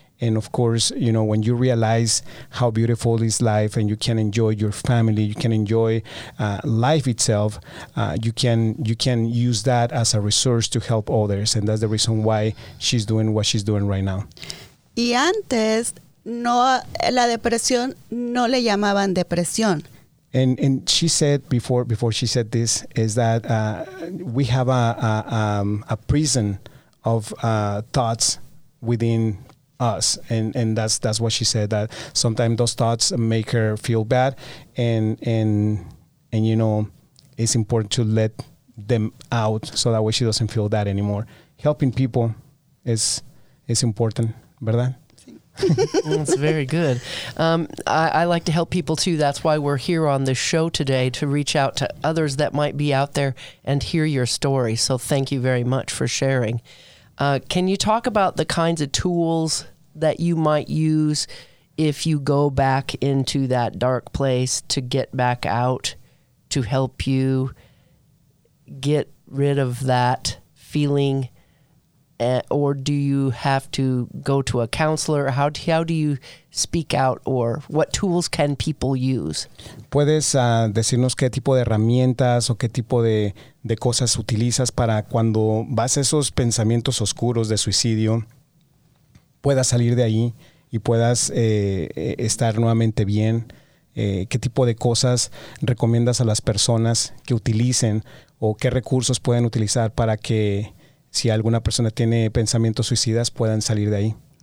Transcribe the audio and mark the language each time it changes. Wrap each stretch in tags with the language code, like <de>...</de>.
<en>And of course, you know, when you realize how beautiful is life and you can enjoy your family, you can enjoy life itself, you can use that as a resource to help others. And that's the reason why she's doing what she's doing right now.</en> <es>Y antes, no, la depresión no le llamaban depresión.</es> <en>And she said before she said this, is that we have a prison of thoughts within us, and that's what she said, that sometimes those thoughts make her feel bad, and you know, it's important to let them out so that way she doesn't feel that anymore. Helping people is important, ¿verdad?</en> <es>Sí.</es> <en>That's very good. I like to help people too. That's why we're here on this show today, to reach out to others that might be out there and hear your story. So thank you very much for sharing. Can you talk about the kinds of tools that you might use if you go back into that dark place to get back out, to help you get rid of that feeling? Or do you have to go to a counselor? How do you speak out, or what tools can people use?</en> <es>¿Puedes decirnos qué tipo de herramientas o qué tipo de cosas utilizas para cuando vas a esos pensamientos oscuros de suicidio, puedas salir de ahí y puedas estar nuevamente bien? ¿Qué tipo de cosas recomiendas a las personas que utilicen, o qué recursos pueden utilizar para que, si alguna persona tiene pensamientos suicidas, puedan salir de ahí?</es>